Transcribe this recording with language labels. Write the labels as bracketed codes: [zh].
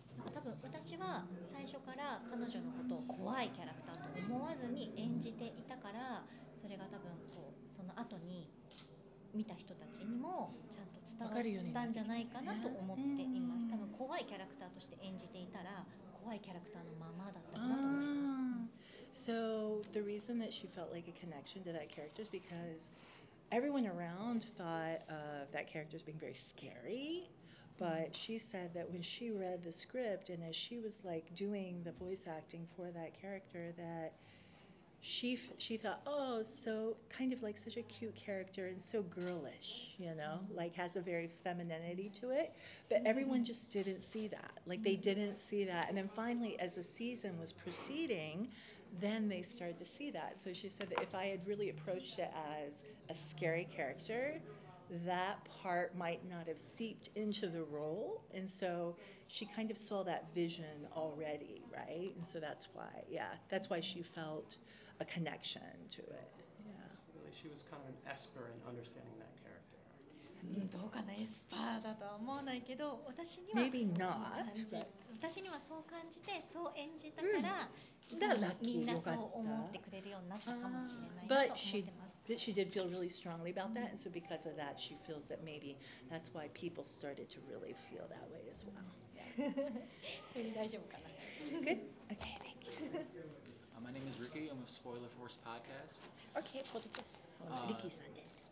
[ja] 多分私は最初から彼女のことを怖いキャラクターと思わずに演じていたから、それが多分こうその後に見た人たちにもちゃんと伝わったんじゃないかなと思っています。多分怖いキャラクターとして演じていたら怖いキャラクターのままだったかなと思います。 [en] So the reason that she felt like a connection to that character is because everyone around thought of that character as being very scary, but she said that when she read the script and as she was like doing the voice acting for that character, thatShe thought, oh, so kind of like such a cute character and so girlish, you know, like has a very femininity to it. But everyone just didn't see that. Like they didn't see that. And then finally, as the season was proceeding, then they started to see that. So she said that if I had really approached it as a scary character, that part might not have seeped into the role. And so she kind of saw that vision already, right? And so that's why, yeah, that's why she felt...a connection to it. Yeah. It's really she was kind of an esper in understanding that character. [ja] どうかなエスパーだとは思わないけど、私には [en] Maybe not, [ja] そう感じ、 [en] but... [ja] 私にはそう感じて、そう演じたから、みんなそう思ってくれるようになったかもしれないと思ってます。 [en] But she did feel really strongly about that, and so because of that, she feels that maybe that's why people started to really feel that way as well. Good? Okay, thank you. My name is Ricky. I'm with Spoiler Force Podcast. Okay, Ricky-san desu.